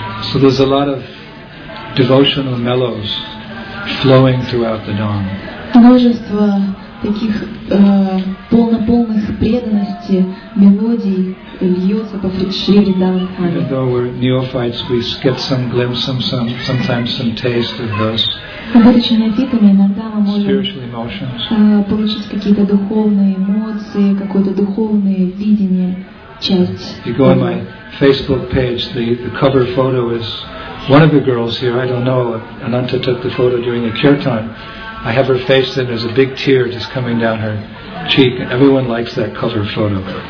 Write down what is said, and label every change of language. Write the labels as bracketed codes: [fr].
[en] So there's a lot of devotional mellows flowing throughout the Dham. [ru] Множество таких полнополных преданности мелодий льется по Шри Вриндаван Дхаме. [en] Even though we're neophytes, we get some glimpse, sometimes some taste of those. [ru] Будучи неофитами, иногда мы можем получить какие-то духовные эмоции, какое-то духовное видение, часть. [en] You go on my Facebook page. The cover photo is one of the girls here. I don't know. Ananta took the photo during the kirtan. I have her face, and there's a big tear just coming down her cheek. And everyone likes that cover photo.